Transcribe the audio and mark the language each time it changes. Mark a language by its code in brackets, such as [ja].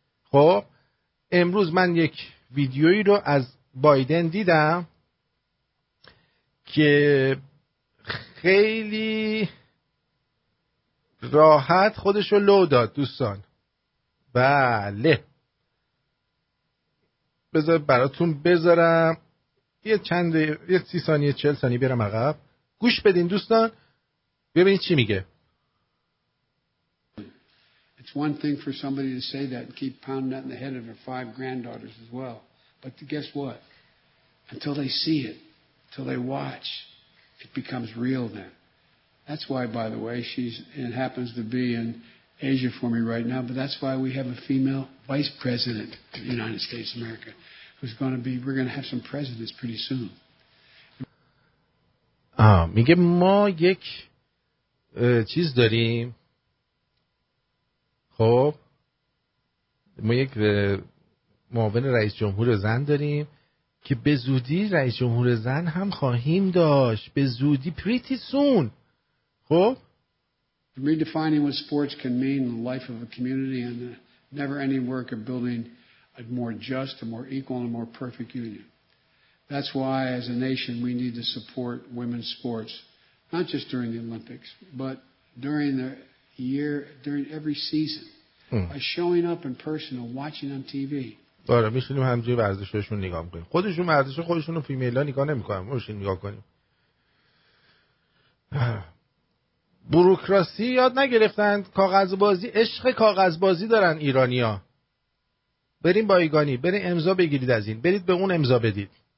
[fa] خب امروز من یک ویدیویی رو از بایدن دیدم که خیلی راحت خودشو لو داد دوستان. بله بذار براتون بذارم، یه چند یه 30 ثانیه 40 ثانیه برم عقب گوش بدین دوستان ببینید چی میگه. [en] It's one thing for somebody to say that and keep pounding that in the head of their five granddaughters as well, but guess what, until they see it, until they watch it becomes real then. That's why, by the way, she's and happens to be in Asia for me right now, but that's why we have a female vice president of the United States of America who's going to be, we're going to have some presidents pretty soon. [fa] میگه ما یک چیز داریم. خب ما یک معاون رئیس جمهور زن داریم که به زودی رئیس جمهور زن هم خواهیم داشت، به زودی [en] pretty soon. [fa] خب [en] redefining what sports can mean in the life of a community and never any work of building a more just, a more equal and a more perfect union. That's why as a nation we need to support women's sports, not just during the Olympics but during the year, during every season by showing up in person and watching on TV. [fa] آره میشونیم همجوری ورزششون نگاه میکنیم، خودشون ورزش خودشون رو فیمیلا نگاه نمیکنیم، ماشین نگاه کنیم. بروکراسی یاد نگرفتند، کاغذبازی، عشق کاغذبازی دارن ایرانیا. بریم بایگانی، بریم امضا بگیرید از این، برید به اون امضا بدید.